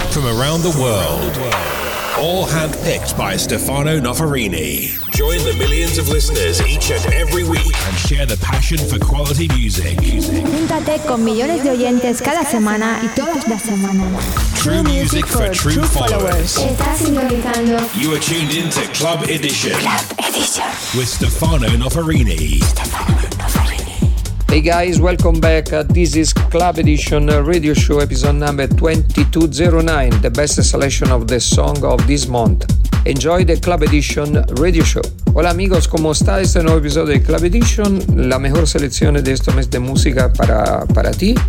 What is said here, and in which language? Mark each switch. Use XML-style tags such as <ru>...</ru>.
<en>From around the world, all handpicked by Stefano Noferini. Join the millions of listeners each and every week and share the passion for quality music.</en> <es>Júntate con millones de oyentes cada semana y todas las semanas.</es> <en>True music for true followers.</en> <es>Estás sintonizando.</es> <en>You are tuned in to Club Edition. Club Edition. With Stefano Noferini. Hey guys, welcome back. This is Club Edition radio show episode number 2209, the best selection of the song of this month. Enjoy the Club Edition radio show.</en> <es>Hola amigos, ¿cómo está? Este nuevo episodio de Club Edition, la mejor selección de este mes de música para ti.</es>